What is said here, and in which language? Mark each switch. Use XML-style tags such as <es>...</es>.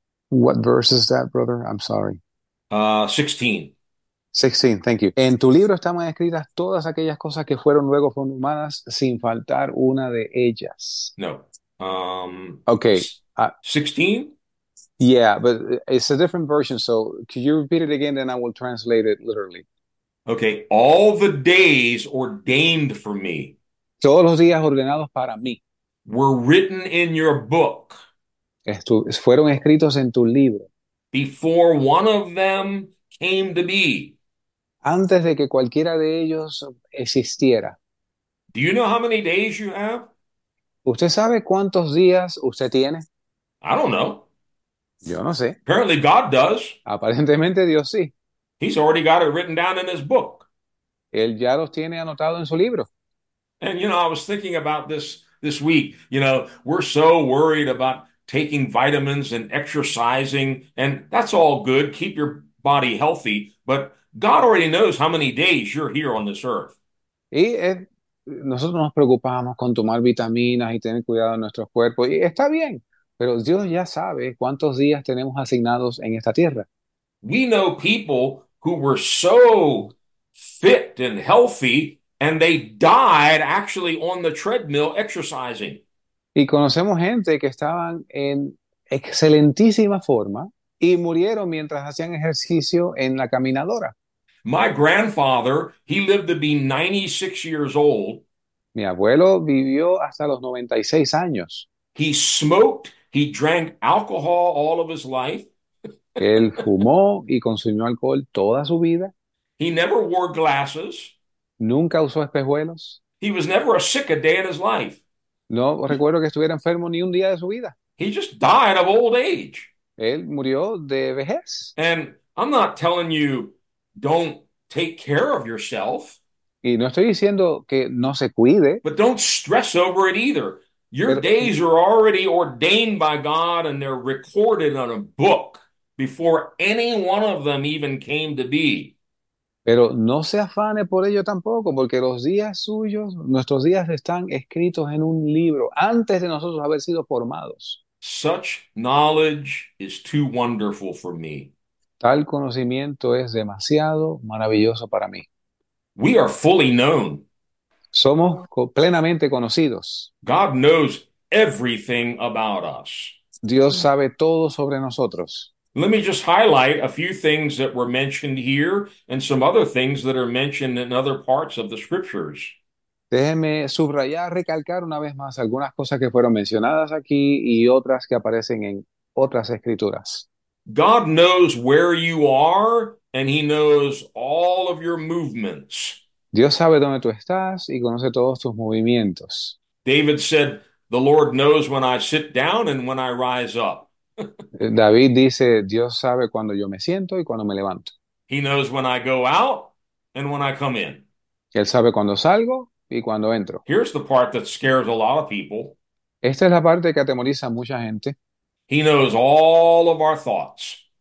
<en>What verse is that, brother? I'm sorry. 16. 16, thank you.</en> <es>En tu libro están escritas todas aquellas cosas que fueron luego formadas sin faltar una de ellas.</es> <en>No. Ok. 16. Yeah, but it's a different version, so could you repeat it again and I will translate it literally. Okay, all the days ordained for me</en> <es>Todos los días ordenados para mí.</es> <en>were written in your book</en> <es>Fueron escritos en tu libro.</es> <en>before one of them came to be.</en> <es>Antes de que cualquiera de ellos existiera.</es> <en>Do you know how many days you have?</en> <es>¿Usted sabe cuántos días usted tiene?</es> <en>I don't know.</en> <es>Yo no sé.</es> <en>Apparently God does.</en> <es>Aparentemente Dios sí.</es> <en>He's already got it written down in his book.</en> <es>Él ya los tiene anotado en su libro.</es> <en>And I was thinking about this week. We're so worried about taking vitamins and exercising, and that's all good. Keep your body healthy, but God already knows how many days you're here on this earth.</en> <es>Y nosotros nos preocupamos con tomar vitaminas y tener cuidado de nuestros cuerpos. Y está bien, pero Dios ya sabe cuántos días tenemos asignados en esta tierra.</es> <en>We know people who were so fit and healthy and they died actually on the treadmill exercising.</en> <es>Y conocemos gente que estaban en excelentísima forma y murieron mientras hacían ejercicio en la caminadora.</es> <en>My grandfather, he lived to be 96 years old.</en> <es>Mi abuelo vivió hasta los 96 años.</es> <en>He smoked, he drank alcohol all of his life.</en> <es>Él fumó y consumió alcohol toda su vida.</es> <en>He never wore glasses.</en> <es>Nunca usó espejuelos.</es> <en>He was never a sick a day in his life.</en> <es>No recuerdo que estuviera enfermo ni un día de su vida.</es> <en>He just died of old age.</en> <es>Él murió de vejez.</es> <en>And I'm not telling you don't take care of yourself,</en> <es>Y no estoy diciendo que no se cuide,</es> <en>but don't stress over it either. Your</en> <es>pero</es> <en>days are already ordained by God and they're recorded on a book before any one of them even came to be.</en> <es>no se afane por ello tampoco, porque los días suyos, nuestros días están escritos en un libro antes de nosotros haber sido formados.</es> <en>Such knowledge is too wonderful for me.</en> <es>Tal conocimiento es demasiado maravilloso para mí.</es> <en>We are fully known.</en> <es>Somos plenamente conocidos.</es> <en>God knows everything about us.</en> <es>Dios sabe todo sobre nosotros.</es> <en>Let me just highlight a few things that were mentioned here and some other things that are mentioned in other parts of the scriptures.</en> <es>Déjenme subrayar, recalcar una vez más algunas cosas que fueron mencionadas aquí y otras que aparecen en otras escrituras.</es> <en>God knows where you are and he knows all of your movements.</en> <es>Dios sabe dónde tú estás y conoce todos tus movimientos.</es> <en>David said, "The Lord knows when I sit down and when I rise up."</en> <es>David dice, Dios sabe cuándo yo me siento y cuándo me levanto.</es> <en>He knows when I go out and when I come in.</en> <es>Él sabe cuándo salgo y cuándo entro.</es> <en>Here's the part that scares a lot of people.</en> <es>Esta es la parte que atemoriza a mucha gente.</es> <en>He knows all of our thoughts,</en>